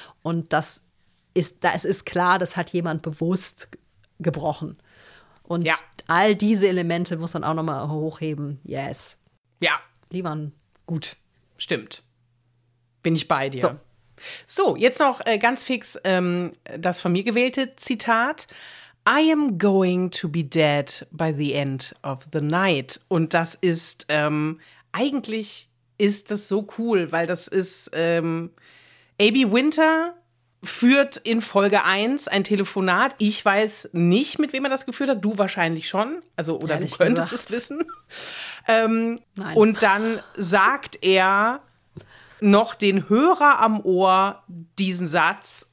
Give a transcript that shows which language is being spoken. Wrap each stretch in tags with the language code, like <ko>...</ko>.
<de>Und es ist klar, das hat jemand bewusst gebrochen. Und all diese Elemente muss man auch noch mal hochheben.</de> <en>Yes.</en> <de>Ja. Die waren gut. Stimmt. Bin ich bei dir. So, jetzt noch ganz fix das von mir gewählte Zitat.</de> <en>I am going to be dead by the end of the night.</en> <de>Und das ist, eigentlich ist das so cool, weil das ist A.B. Winter führt in Folge 1 ein Telefonat. Ich weiß nicht, mit wem er das geführt hat. Du wahrscheinlich schon. Also, oder ehrlich du könntest gesagt. Es wissen. Nein. Und dann sagt er noch den Hörer am Ohr diesen Satz.</de>